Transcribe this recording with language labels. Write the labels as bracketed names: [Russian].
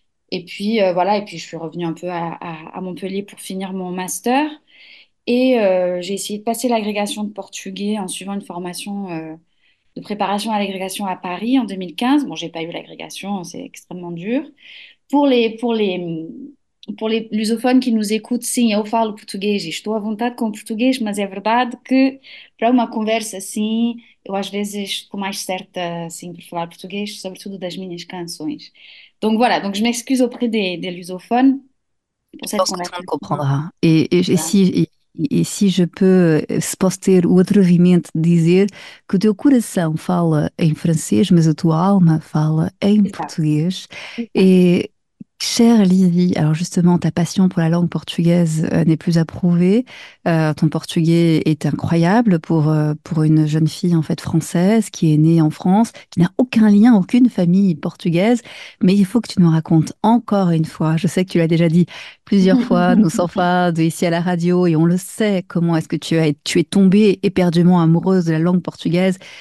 [French] Et puis voilà, et puis je suis revenue un peu à Montpellier pour finir mon master. J'ai essayé de passer l'agrégation de portugais en suivant une formation de préparation à l'agrégation à Paris en 2015. Bon, j'ai pas eu l'agrégation, c'est extrêmement dur. Pour les lusophones qui nous écoutent, [Portuguese] sim, eu falo português, estou à vontade com português, mas é verdade que para uma conversa assim, eu às vezes fico mais certa assim, por falar português, sobretudo das minhas canções. [French] Donc voilà, donc je m'excuse auprès des lusophones pour Je cette pense que tout conversation. le monde comprendra. Et Voilà. si je peux poster [Portuguese] o atrevimento de dizer que o teu coração fala em francês, mas a tua alma fala em português. [French] Et chère Lily, alors justement, ta passion pour la langue portugaise n'est plus à prouver. Ton portugais est incroyable pour une jeune fille en fait française qui est née en France, qui n'a aucun lien, aucune famille portugaise. Mais il faut que tu nous racontes encore une fois. Je sais que tu l'as déjà dit plusieurs fois, nous sommes fans de ici à la radio et on le sait comment est-ce que tu es tombée éperdument amoureuse de la langue portugaise.